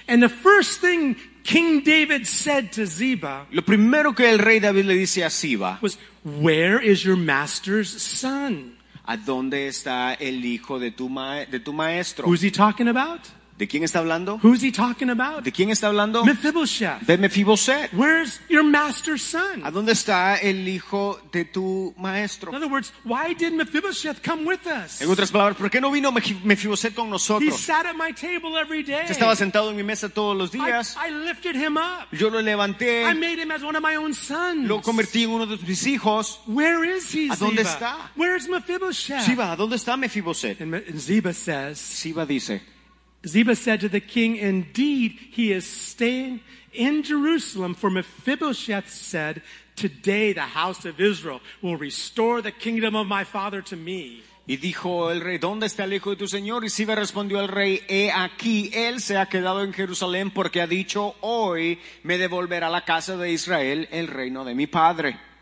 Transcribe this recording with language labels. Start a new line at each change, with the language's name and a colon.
English: And the first thing King David said to Ziba,
Spanish: lo primero que el rey David le dice a Ziba,
English: was, "Where is your master's son?"
Spanish: ¿A dónde está el hijo de tu maestro?
English: Who's he talking about?
Spanish: ¿De quién está hablando?
English: Who's he talking about?
Spanish: ¿De quién está hablando?
English: Mephibosheth.
Spanish: De Mephibosheth.
English: Where's your master's son?
Spanish: ¿A dónde está el hijo de tu maestro?
English: In other words, why did Mephibosheth come with us?
Spanish: En otras palabras, ¿por qué no vino Mephibosheth con nosotros?
English: He sat at my table every day.
Spanish: Se estaba sentado en mi mesa todos los días.
English: I lifted him up.
Spanish: Yo lo levanté.
English: I made him as one of my own sons.
Spanish: Lo convertí en uno de mis hijos.
English: Where is he, Ziba?
Spanish: ¿A dónde está?
English: Where's Mephibosheth?
Spanish: Ziba, ¿a dónde está Mephibosheth?
English: And Ziba says,
Spanish: Ziba dice,
English: Ziba said to the king, "Indeed, he is staying in Jerusalem, for Mephibosheth said, 'Today the house of Israel will restore the kingdom of my father to me.'"
Spanish: Y dijo el rey, ¿dónde está el hijo de tu señor? Y Ziba respondió al rey, he aquí, él se ha quedado en Jerusalén porque ha dicho, hoy me devolverá la casa de Israel el reino de mi padre.